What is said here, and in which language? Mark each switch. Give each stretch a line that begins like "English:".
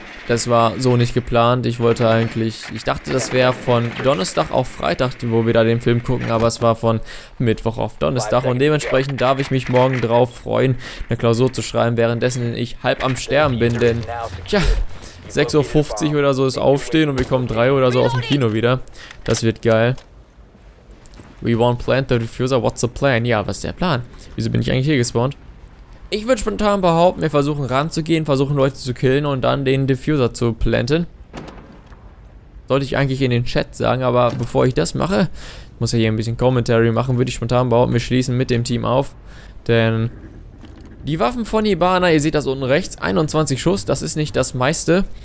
German: Das war so nicht geplant. Ich wollte eigentlich, ich dachte, das wäre von Donnerstag auf Freitag, wo wir da den Film gucken. Aber es war von Mittwoch auf Donnerstag. Und dementsprechend darf ich mich morgen drauf freuen, eine Klausur zu schreiben, währenddessen ich halb am Sterben bin. Denn, tja, 6.50 Uhr oder so ist aufstehen und wir kommen 3 Uhr oder so aus dem Kino wieder. Das wird geil.
English: We won't plant the diffuser, what's the plan?
German: Ja, was ist der Plan? Wieso bin ich eigentlich hier gespawnt? Ich würde spontan behaupten, wir versuchen ranzugehen, versuchen Leute zu killen und dann den Diffuser zu planten. Sollte ich eigentlich in den Chat sagen, aber bevor ich das mache, muss ja hier ein bisschen Commentary machen, würde ich spontan behaupten, wir schließen mit dem Team auf, denn die Waffen von Hibana, ihr seht das unten rechts, 21 Schuss, das ist nicht das meiste.